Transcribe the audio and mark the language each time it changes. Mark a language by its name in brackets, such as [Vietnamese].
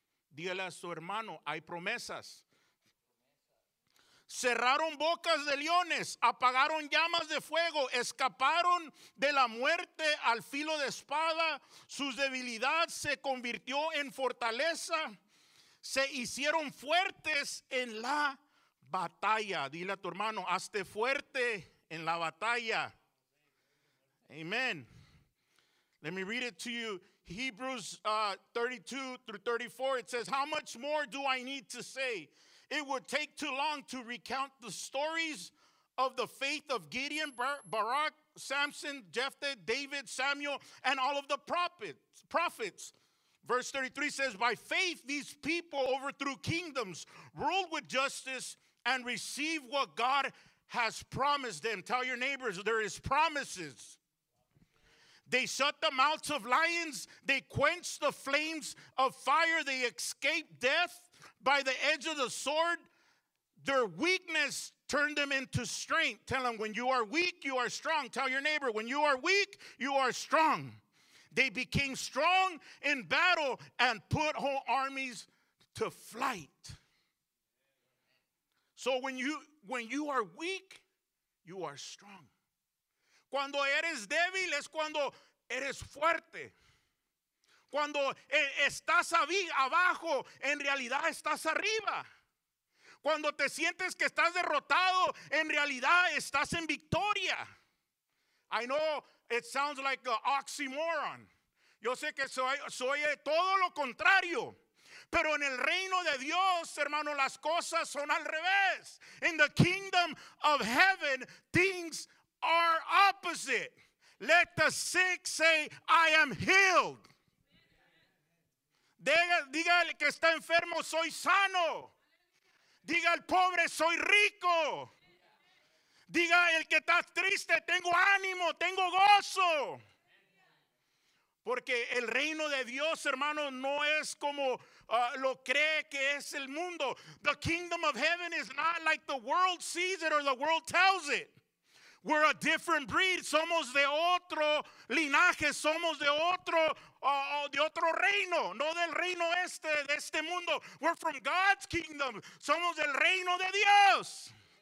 [Spanish] Dígale a su hermano, hay promesas. Cerraron bocas de leones, apagaron llamas de fuego, escaparon de la muerte al filo de espada. Su debilidad se convirtió en fortaleza, se hicieron fuertes en la batalla. Dile a tu hermano, hazte fuerte en la batalla. [English] Amen. Let me read it to you. Hebrews 32-34, it says, how much more do I need to say? It would take too long to recount the stories of the faith of Gideon, Barak, Samson, Jephthah, David, Samuel, and all of the prophets. Verse 33 says, by faith these people overthrew kingdoms, ruled with justice, and receive what God has promised them. Tell your neighbors, there is promises. They shut the mouths of lions. They quench the flames of fire. They escape death by the edge of the sword. Their weakness turned them into strength. Tell them, when you are weak, you are strong. Tell your neighbor, when you are weak, you are strong. They became strong in battle and put whole armies to flight. So when you are weak, you are strong. [Spanish] Cuando eres débil es cuando eres fuerte. Cuando estás abajo, en realidad estás arriba. Cuando te sientes que estás derrotado, en realidad estás en victoria. [English] I know it sounds like an oxymoron. [Spanish] Yo sé que soy todo lo contrario. Pero en el reino de Dios, hermano, las cosas son al revés. [English] In the kingdom of heaven, things are opposite. Let the sick say, I am healed. [Spanish] Diga al que está enfermo, soy sano. Diga al pobre, soy rico. Diga el que está triste, tengo ánimo, tengo gozo. Porque el reino de Dios, hermano, no es como lo cree que es el mundo. [English] The kingdom of heaven is not like the world sees it or the world tells it. We're a different breed. [Spanish] Somos de otro linaje. Somos de otro de otro reino, no del reino este, de este mundo. [English] We're from God's kingdom. [Spanish] Somos del reino de Dios.